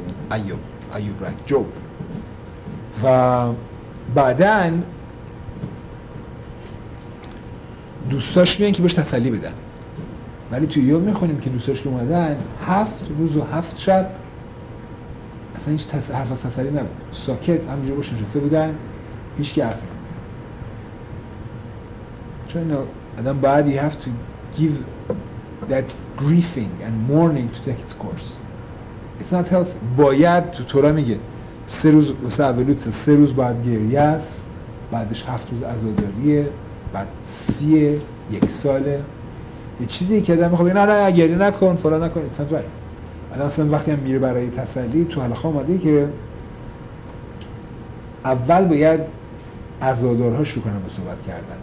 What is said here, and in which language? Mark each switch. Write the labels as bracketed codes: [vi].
[fa] ایوب ایوب رد جوب. و بعدن دوستاش میان که بهش تسلی بدن، ولی توی یوم میخونیم که دوستاش که اومدن 7 روز و 7 شب اصلا هیچ حرف از تسلی نبود، ساکت همینجور باش نشسته بودن، هیچ که حرف نبود. چون آدم بعد [en] you have to give that grieving and mourning to take its course. It's not healthy. [fa] باید تو تورا میگه 3 روز واسه اولوت 3 روز بعد گریه است، بعدش 7 روز عزاداریه، بعد 31 ساله. یه چیزی که آدم میخواد نه نه گریه نکن فلان نکن، [en] it's not right. [fa] آدم اصلا وقتی هم میره برای تسلی تو حلقه اومده که اول باید عزادارها شروع کنن با صحبت کردن.